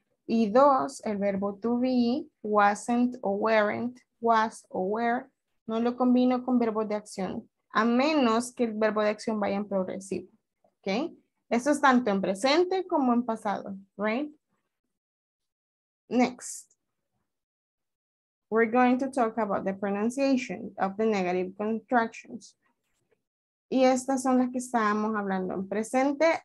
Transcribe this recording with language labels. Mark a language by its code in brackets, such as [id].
[es] Y dos, el verbo to be, wasn't o weren't, was o were, no lo combino con verbos de acción, a menos que el verbo de acción vaya en progresivo. Ok, eso es tanto en presente como en pasado. [en] Right? Next. We're going to talk about the pronunciation of the negative contractions. [es] Y estas son las que estábamos hablando en presente.